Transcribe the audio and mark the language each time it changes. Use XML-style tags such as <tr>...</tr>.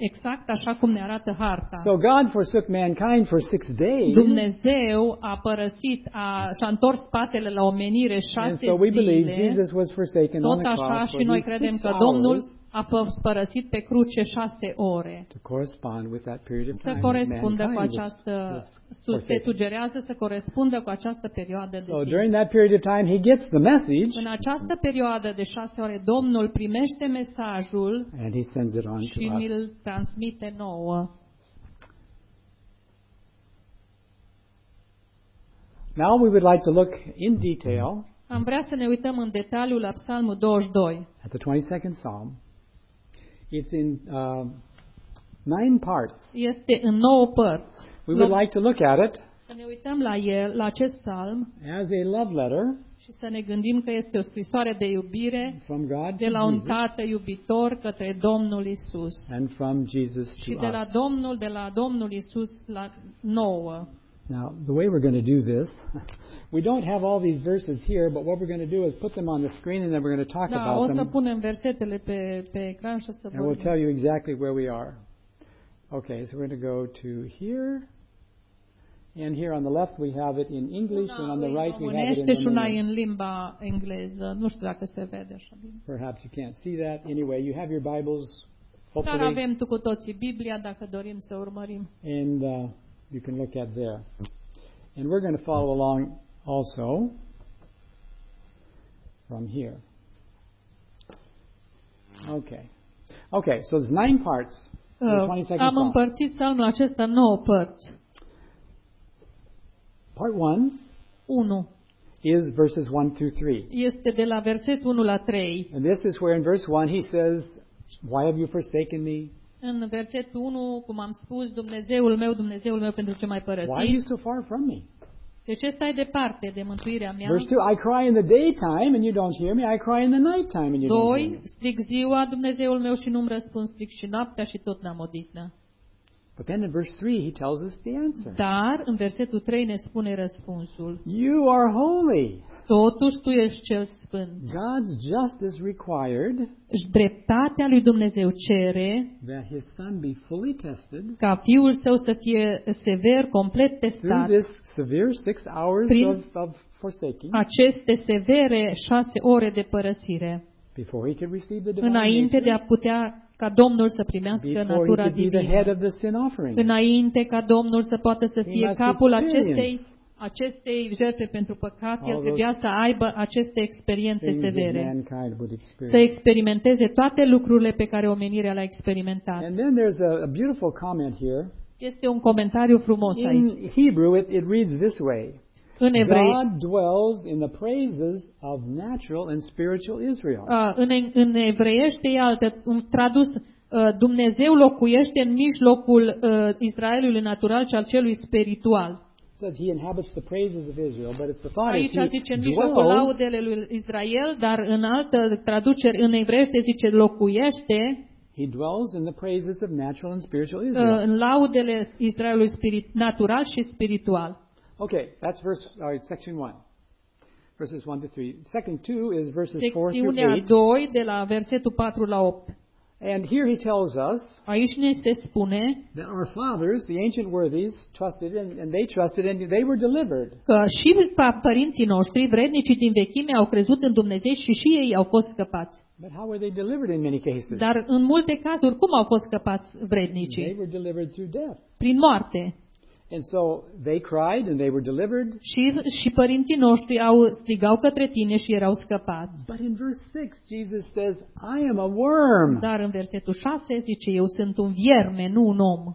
<ro>Exact așa cum ne arată harta.</ro> <en>So God forsook mankind for 6 days.</en> <ro>Dumnezeu a părăsit, s-a întors spatele la omenire 6 zile.</ro> <en>So we believe Jesus was forsaken on the cross.</en> <ro>Tot așa și noi credem că Domnul a fost părăsit pe cruce 6 ore.</ro> <en>To correspond with that period of time.</en> <ro>Să corespundă cu această se sugerează să corespundă cu această perioadă de timp.</ro> <en>So during that period of time he gets the message.</en> <ro>În această perioadă de 6 ore Domnul primește mesajul și îl transmite nouă.</ro> <en>Now we would like to look in detail.</en> <ro>Am vrea să ne uităm în detaliu la Psalmul 22.</ro> <en>At the 22nd Psalm. It's in 9 parts.</en> <ro>Este în 9 părți.</ro> <en>We would like to look at it.</en> <ro>Să ne uităm la el, la acest psalm.</ro> <en>As a love letter.</en> <ro>Și să ne gândim că este o scrisoare de iubire</ro> <en>from God</en> <ro>de la un tată iubitor către Domnul Isus.</ro> <en>And from Jesus to us.</en> <ro>Și de la Domnul, de la Domnul Isus la nouă.</ro> <en>Now, the way we're going to do this, we don't have all these verses here, but what we're going to do is put them on the screen and then we're going to talk about them.</en> <ro>Da, o să punem versetele pe ecran și o să vorbim.</ro> <en>And we'll tell you exactly where we are. Okay, so we're going to go to here. And here on the left we have it in English and on the right we have it</en> <ro>in limba engleză. Nu știu dacă se vede așa bine.</ro> <en>Perhaps you can't see that. Anyway, you have your Bibles.</en> <ro>Dar avem cu toții Biblia dacă dorim să urmărim.</ro> <en>And you can look at there. And we're going to follow along also from here. Okay, so there's 9 parts.</en> <ro>Am împărțit psalmul acesta în 9 părți.</ro> <en>Part 1 is verses 1 through 3.</en> <ro>Este de la versetul 1 la 3.</ro> <en>And this is where in verse 1 he says, why have you forsaken me?</en> <ro>În versetul 1, cum am spus, Dumnezeul meu, Dumnezeul meu, pentru ce m-ai părăsit?</ro> <en>Why are you so far from me?</en> <ro>Deci stai departe de mântuirea mea.</ro> <en>Verse 2, I cry in the daytime and you don't hear me. I cry in the night time and you don't hear me.</en> <ro>2, strig ziua, Dumnezeul meu, și nu-mi răspund, strig și noaptea și tot n-am odihnă.</ro> <en>But then in verse 3 he tells us the answer.</en> <ro>Dar în versetul 3 ne spune răspunsul.</ro> <en>You are holy.</en> <ro>Totuși tu ești cel sfânt.</ro> <en>God's justice required.</en> <ro>Dreptatea lui Dumnezeu cere.</ro> <en>That his son be fully tested.</en> <ro>Ca fiul său să fie sever, complet testat.</ro> <en>Through this severe 6 hours of forsaking.</en> <ro>Aceste severe 6 ore de părăsire.</ro> <en>Before he could receive the divine</en> <ro>înainte</ro> <en>nature,</en> <ro>de a putea ca Domnul să primească natura divină. Înainte ca Domnul să poată să fie capul acestei jertfe pentru păcat, el trebuia să aibă aceste experiențe severe. Să experimenteze toate lucrurile pe care omenirea le-a experimentat.</ro> <en>And then there's a beautiful comment here.</en> <ro>Este un comentariu frumos aici.</ro> <en>In Hebrew it reads this way.</en> <ro>În evrei,</ro> <en>God dwells in the praises of natural and spiritual Israel.</en> <ro>În evreiește e altă, tradus, Dumnezeu locuiește în mijlocul Israelului natural și al celui spiritual.</ro> <en>Says he inhabits the praises of Israel, but it's the thought</en> <ro>aici</ro> <en>that he</en> <ro>zice, în mijlocul laudele lui Israel, dar în altă traducere în evreiește zice locuiește.</ro> <en>He dwells in the praises of natural and spiritual Israel.</en> <ro>În laudele Israelului spirit, natural și spiritual.</ro> <en>Okay, that's section 1. Verses 1 to 3. Section 2 is verses 4 through 8.</en> <ro>Secțiunea 2 de la versetul 4 la 8.</ro> <en>And here he tells us,</en> <ro>aici ne se spune,</ro> <en>that our fathers, the ancient worthies, trusted and they trusted and they were delivered.</en> <ro>Că și părinții noștri, vrednicii din vechime, au crezut în Dumnezeu și ei au fost scăpați.</ro> <en>But how were they delivered in many cases?</en> <ro>Dar în multe cazuri cum au fost scăpați vrednicii?</ro> <en>They were delivered through death.</en> <ro>Prin moarte.</ro> <en>And so they cried and they were delivered.</en> <ro>Și părinții noștri strigau către tine și erau scăpați.</ro> <en>But in verse 6 Jesus says, I am a worm.</en> <ro>Dar în versetul 6 zice, eu sunt un vierme, nu un om.</ro>